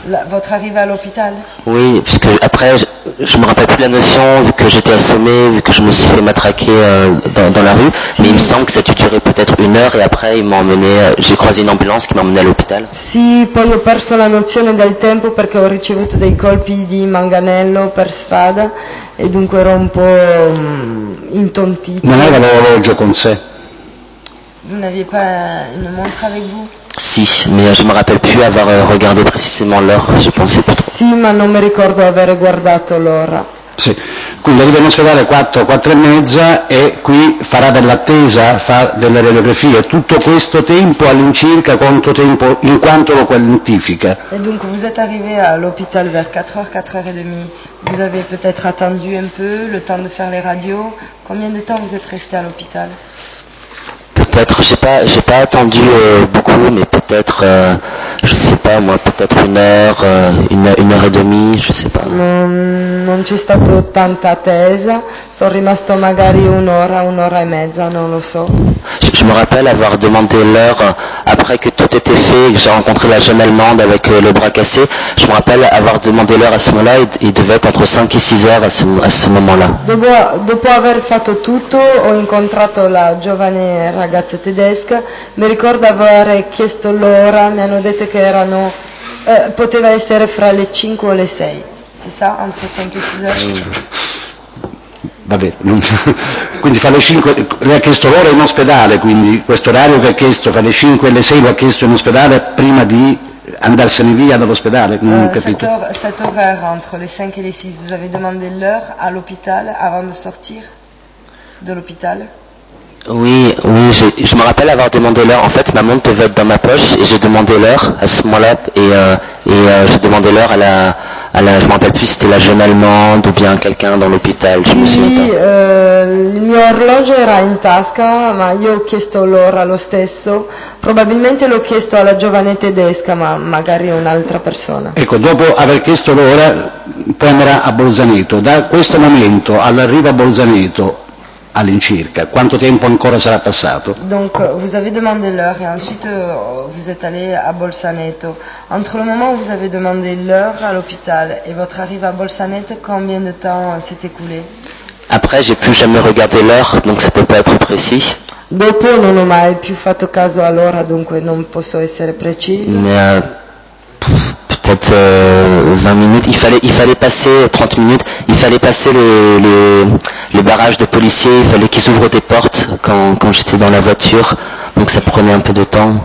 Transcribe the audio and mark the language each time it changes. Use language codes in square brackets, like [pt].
[fr] Votre arrivée à l'hôpital? Oui, parce que après je me rappelle plus la notion, vu que j'étais assommé, vu que je me suis fait matraquer dans la rue, si. Mais il me semble que ça a duré peut-être une heure et après ils m'ont emmené, j'ai croisé une ambulance qui m'a emmené à l'hôpital. [it] Si, poi ho perso la nozione del tempo perché ho ricevuto dei colpi di manganello per strada e dunque ero un po' intontito. Non aveva l'orologio con sé? [fr] Vous n'aviez pas une montre avec vous? Si, mais je me rappelle plus avoir regardé précisément l'heure, je pensais pas trop. [it] Si, ma non mi ricordo aver guardato l'ora. Sì. Quindi arriva in ospedale 4, 4 e mezza, e qui farà dell'attesa, fa delle radiografie. Tutto questo tempo all'incirca, quanto tempo, in quanto lo quantifica? E dunque, [fr] vous êtes arrivé à l'hôpital vers 4h, 4h et demie. Vous avez peut-être attendu un peu, le temps de faire les radios. Combien de temps vous êtes resté à l'hôpital? Peut-être, j'ai pas attendu beaucoup, mais peut-être, je sais pas moi, peut-être une heure et demie, je sais pas. [it] Non c'è stato tanta attesa, sono rimasto magari un'ora e mezza, non lo so. [fr] Je me rappelle avoir demandé l'heure après que tout était fait et que j'ai rencontré la jeune Allemande avec le bras cassé. Je me rappelle avoir demandé l'heure à ce moment-là, il devait être entre 5 et 6 heures à ce moment-là. [it] Dopo aver fatto tutto, ho incontrato la giovane ragazza tedesca. Mi ricordo aver chiesto l'ora, mi hanno detto che erano poteva essere fra le 5 o le 6. [fr] C'est ça, entre 5 et 6 heures. [it] Va bene, quindi fa le 5, lei ha chiesto l'ora in ospedale, quindi questo orario che ha chiesto fa le 5 e le 6 lo ha chiesto in ospedale prima di andarsene via dall'ospedale, non capito. [fr] Cette horaire entre les 5 et les 6, vous avez demandé l'heure à l'hôpital avant de sortir de l'hôpital? Oui, je me rappelle avoir demandé l'heure. En fait, ma montre devait être dans ma poche et j'ai demandé l'heure à ce moment-là et j'ai demandé l'heure à la, je ne me rappelle plus si c'était la jeune Allemande ou bien quelqu'un dans l'hôpital, je ne me souviens pas. [it] Oui, le mio orologio era in tasca, ma io ho chiesto l'ora lo stesso. Probabilmente l'ho chiesto alla giovane tedesca, ma magari un'altra persona. Ecco, dopo aver chiesto l'ora, poi andrà a Bolzaneto. Da questo momento all'arrivo a Bolzaneto, all'incirca, quanto tempo ancora sarà passato? [fr] Donc, vous avez demandé l'heure et ensuite vous êtes allé à Bolzaneto. Entre le moment où vous avez demandé l'heure à l'hôpital et votre arrivée à Bolzaneto, combien de temps s'est écoulé? Après, j'ai plus jamais regardé l'heure, donc ça peut pas être précis. [it] Dopo non ho mai più fatto caso all'ora, dunque non posso essere preciso. [fr] Mais, peut-être 20 minutes, il fallait passer 30 minutes, il fallait passer les barrages de policiers, il fallait qu'ils ouvrent des portes quand j'étais dans la voiture, donc ça prenait un peu de temps.